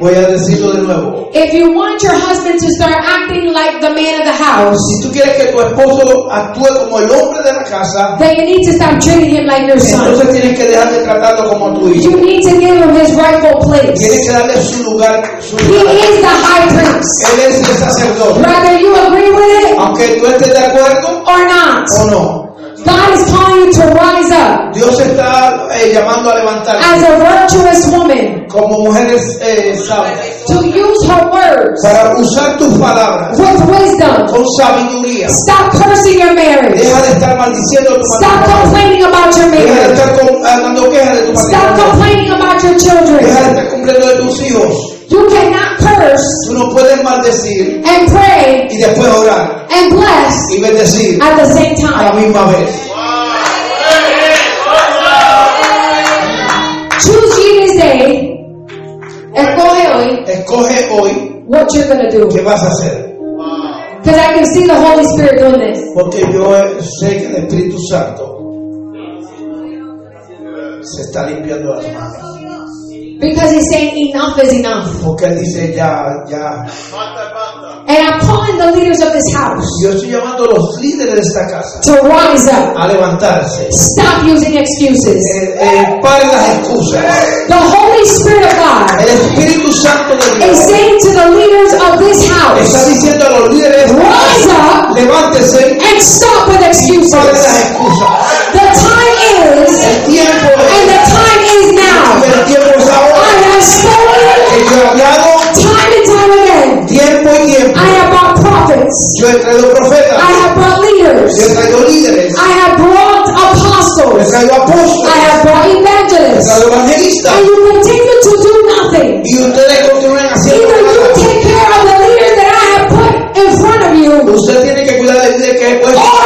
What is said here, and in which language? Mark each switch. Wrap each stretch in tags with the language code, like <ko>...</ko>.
<en>If you want your husband to start acting like the man of the house,</en> <es>si tú quieres que tu esposo actúe como el hombre de la casa,</es> <en>then you need to stop treating him like your son.</en> <es>Entonces tienes que dejar de tratarlo como tu hijo.</es> <en>You need to give him his rightful place.</en> <es>Tienes que darle su lugar, su lugar.</es> <en>He is the high priest.</en> <es>Él es el sacerdote.</es> <en>Rather, you agree with it,</en> <es>aunque tú estés de acuerdo,</es> <en>or not.</en> <es>O no.</es> <en>God is calling you to rise up.</en> <es>Dios está llamando a levantarse.</es> <en>As a virtuous woman.</en> <es>Como mujeres sabias.</es> <en>To use her words.</en> <es>Para usar tus palabras.</es> <en>With wisdom.</en> <es>Con sabiduría.</es> <en>Stop cursing your marriage.</en> <es>Deja de estar maldiciendo tu</es> <en>Stop Stop complaining about your marriage.</en> <es>Deja de estar hablando quejas de tu</es> <en>Stop</en> <es>matrimonio.</es> <en>Stop complaining about your children.</en> <es>Deja de estar cumpliendo de tus hijos.</es> <en>You cannot curse.</en> <es>Tú no puedes maldecir.</es> <en>And pray.</en> <es>Y después orar.</es> <en>And bless.</en> <es>Y bendecir.</es> <en>At the same time.</en> <es>A la misma vez.</es> <en>Choose ye this day.</en> <es>Escoge hoy. Escoge hoy.</es> <en>What you're gonna do?</en> <es>¿Qué vas a hacer?</es> <en>Because I can see the Holy Spirit doing this.</en> <es>Porque yo sé que el Espíritu Santo se está limpiando las manos.</es> <en>Because he's saying enough is enough.</en> <es>Porque él dice ya, ya.</es> <en>And I'm calling the leaders of this house.</en> <es>Yo estoy llamando a los líderes de esta casa.</es> <en>To rise up.</en> <es>A levantarse.</es> <en>Stop using excuses.</en> <es>Para las excusas.</es> <en>The Holy Spirit of God.</en> <es>El Espíritu Santo de Dios.</es> <en>Is saying to the leaders of this house.</en> <es>Está diciendo a los líderes.</es> <en>Rise up.</en> <es>Levántese.</es> <en>And stop with excuses.</en> <es>Para las excusas.</es> <en>The time is.</en> <es>El tiempo es.</es> <en>And the time is now.</en> <es>El tiempo es ahora.</es> <en>I have spoken.</en> <es>Yo he hablado.</es> <en>Time and time again.</en> <es>Tiempo y tiempo.</es> <en>I have brought prophets.</en> <es>Yo he traído profetas.</es> <en>I have brought leaders.</en> <es>Yo he traído líderes.</es> <en>I have brought apostles.</en> <es>Yo he traído apóstoles.</es> <en>I have brought evangelists.</en> <es>Yo he traído evangelistas.</es> <en>And you continue to do nothing.</en> <es>Y ustedes continúan haciendo nada.</es> <en>You take care of the leader that I have put in front of you.</en> <es>Usted tiene que cuidar del líder que he puesto.</es>